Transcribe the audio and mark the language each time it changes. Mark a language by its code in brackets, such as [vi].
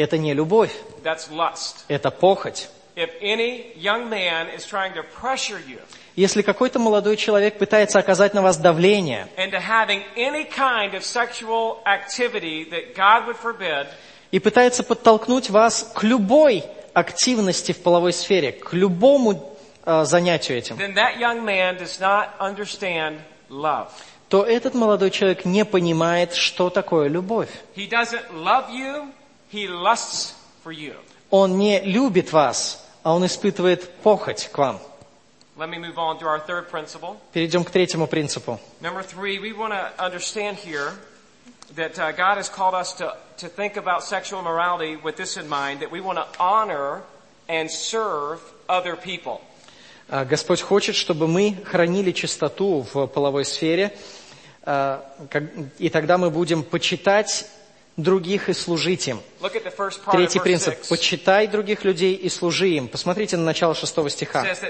[ru] Это не любовь, это похоть. [en] If any young man is trying to pressure you, [ru] если какой-то молодой человек пытается оказать на вас давление, [en] into having any kind of sexual activity that God would forbid, [ru] и пытается подтолкнуть вас к любой активности в половой сфере, к любому занятию этим, [en] then that young man does not understand love. [ru] То этот молодой человек не понимает, что такое любовь. [en] He doesn't love you, he lusts for you. [ru] Он не любит вас, а он испытывает похоть к вам. [en] Let me move on to our third principle. [ru] Перейдем к третьему принципу. [en] Number three, we want to understand here that God has called us to think about sexual morality with this in mind, that we want to honor and serve other people. [ru] Господь хочет, чтобы мы хранили чистоту в половой сфере, и тогда мы будем почитать других и служить им. Третий принцип. Почитай других людей и служи им. Посмотрите на начало шестого стиха.